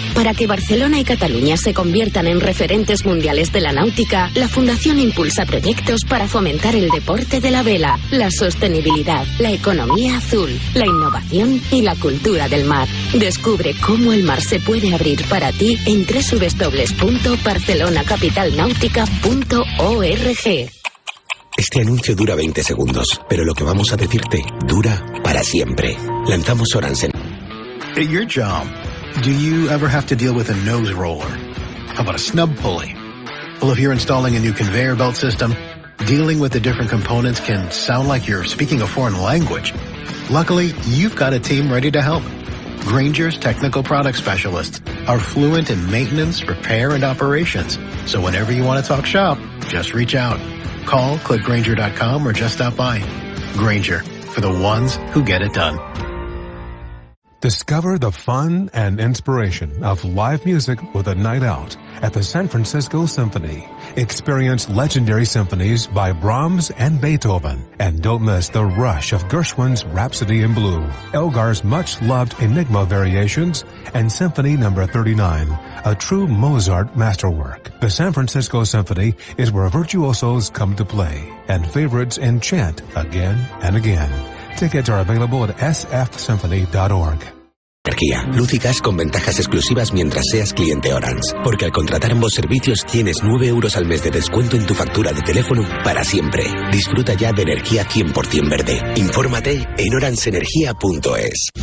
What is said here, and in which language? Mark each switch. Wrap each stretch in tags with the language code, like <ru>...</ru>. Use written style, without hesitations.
<es>Para que Barcelona y Cataluña se conviertan en referentes mundiales de la náutica, la Fundación impulsa proyectos para fomentar el deporte de la vela, la sostenibilidad, la economía azul, la innovación y la cultura del mar. Descubre cómo el mar se puede abrir para ti en www.barcelonacapitalnautica.org. Este anuncio dura 20 segundos, pero lo que vamos a decirte dura para siempre. Lanzamos Sorensen.</es> <en>At your job, do you ever have to deal with a nose roller? How about a snub pulley? Well, if you're installing a new conveyor belt system, dealing with the different components can sound like you're speaking a foreign language. Luckily, you've got a team ready to help. Grainger's technical product specialists are fluent in maintenance, repair, and operations. So whenever you want to talk shop, just reach out. Call, click Grainger.com, or just stop by. Grainger, for the ones who get it done. Discover the fun and inspiration of live music with a night out at the San Francisco Symphony. Experience legendary symphonies by Brahms and Beethoven. And don't miss the rush of Gershwin's Rhapsody in Blue, Elgar's much-loved Enigma Variations, and Symphony No. 39, a true Mozart masterwork. The San Francisco Symphony is where virtuosos come to play and favorites enchant again and again. Tickets are available at sfsymphony.org.</en> <es>Energía, luz y gas con ventajas exclusivas mientras seas cliente Orange. Porque al contratar ambos servicios tienes 9 euros al mes de descuento en tu factura de teléfono para siempre. Disfruta ya de energía 100% verde. Infórmate en orangeenergia.es.</es>